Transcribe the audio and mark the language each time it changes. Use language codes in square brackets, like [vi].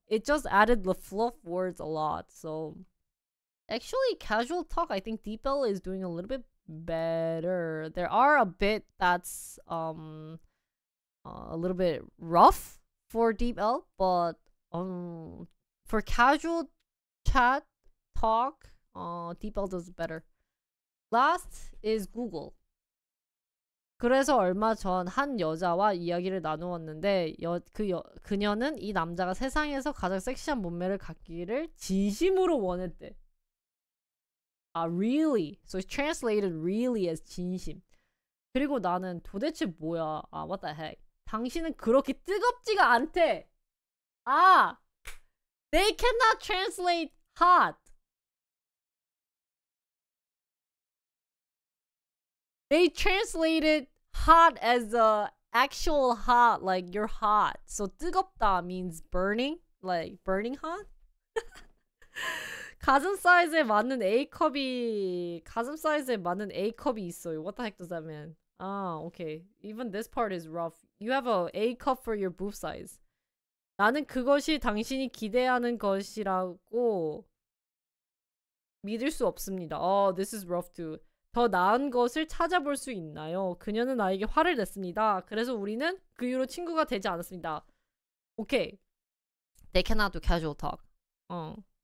[en] It just added the fluff words a lot. So actually casual talk, I think DeepL is doing a little bit better. There are a bit that's a little bit rough for DeepL, but for casual chat talk, DeepL does better. Last is Google. [ko] 그래서 얼마 전 한 여자와 이야기를 나누었는데 그녀는 이 남자가 세상에서 가장 섹시한 몸매를 갖기를 진심으로 원했대. [en] 아, really? So it's translated really as 진심. [ko] 그리고 나는 도대체 뭐야? [en] 아, what the heck? [ko] 당신은 그렇게 뜨겁지가 않대! [en] 아! They cannot translate hot! They translated hot as actual hot, like you're hot. So 뜨겁다 means burning, like burning hot. [ko] 가슴 사이즈에 맞는 A컵이, 가슴 사이즈에 맞는 A컵이 있어요. [en] What the heck does that mean? Ah, okay. Even this part is rough. You have a A컵 for your boob size. [ko] 나는 그것이 당신이 기대하는 것이라고 믿을 수 없습니다. [en] Oh, this is rough too. [ko] 더 나은 것을 찾아볼 수 있나요? 그녀는 나에게 화를 냈습니다. 그래서 우리는 그 이후로 친구가 되지 않았습니다. [en] Okay. They cannot do casual talk. Oh.